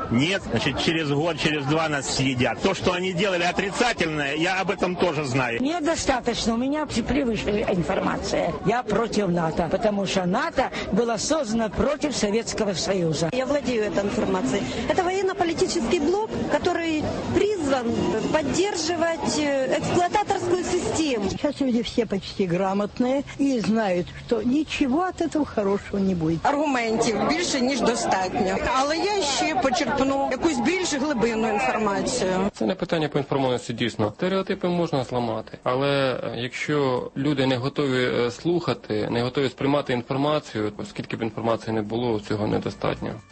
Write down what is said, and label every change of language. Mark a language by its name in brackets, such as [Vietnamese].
[Ukrainian] Ні, значить, через год, через два нас з'їдять. То, що вони робили отрицательне, я об этом теж знаю. Недостатньо, у мене превышена інформація. Я проти НАТО, тому що НАТО була створена проти Совєтського Союзу. Я володію цією інформацією. Це воєнно-політичний блок, який призван [Russian] призван поддерживать эксплуататорскую систему. Сейчас люди все почти грамотные и знают, что ничего от этого хорошего не будет. Аргументов больше, [Ukrainian] ніж достатньо. Але я ще почерпну якусь більш глибинну інформацію. Це не питання по інформованості, дійсно. Стереотипи можна зламати, але якщо люди не готові слухати, не готові сприймати інформацію, оскільки б інформації не було, цього недостатньо.